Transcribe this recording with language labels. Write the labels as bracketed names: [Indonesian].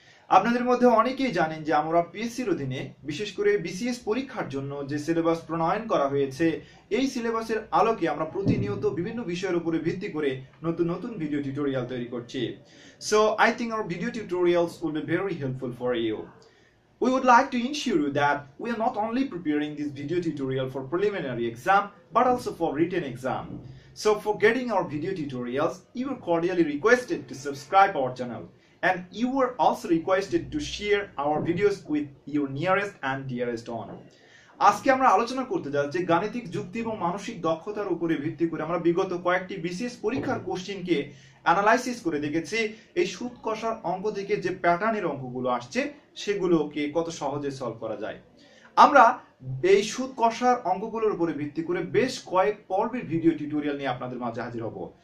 [Bangla] আপনাদের মধ্যে অনেকেই জানেন যে আমরা পিএসসির অধীনে বিশেষ করে বিসিএস পরীক্ষার জন্য যে সিলেবাস প্রণয়ন করা হয়েছে, এই সিলেবাসের আলোকে আমরা প্রতিনিয়ত বিভিন্ন বিষয়ের উপরে ভিত্তি করে নতুন নতুন ভিডিও টিউটোরিয়াল তৈরি করছি। [English] So I think our video tutorials will be very helpful for you. We would like to ensure you that we are not only preparing this video tutorial for preliminary exam but also for written exam. So for getting our video tutorials, you are cordially requested to subscribe our channel and you are also requested to share our videos with your nearest and dearest one. [Bangla] আজকে আমরা আলোচনা করতে যাচ্ছি গাণিতিক যুক্তি এবং মানসিক দক্ষতার উপরে ভিত্তি করে আমরা বিগত কয়েকটি বিসিএস পরীক্ষার কোশ্চেনকে অ্যানালাইসিস করে দেখেছি, এই সুদ কষার অঙ্ক থেকে যে প্যাটার্নের অঙ্কগুলো আসছে সেগুলোকে কত সহজে সলভ করা যায়। আমরা এই সুদ কষার অঙ্কগুলোর উপরে ভিত্তি করে বেশ কয়েক পর্বের ভিডিও টিউটোরিয়াল নিয়ে আপনাদের মাঝে হাজির হব।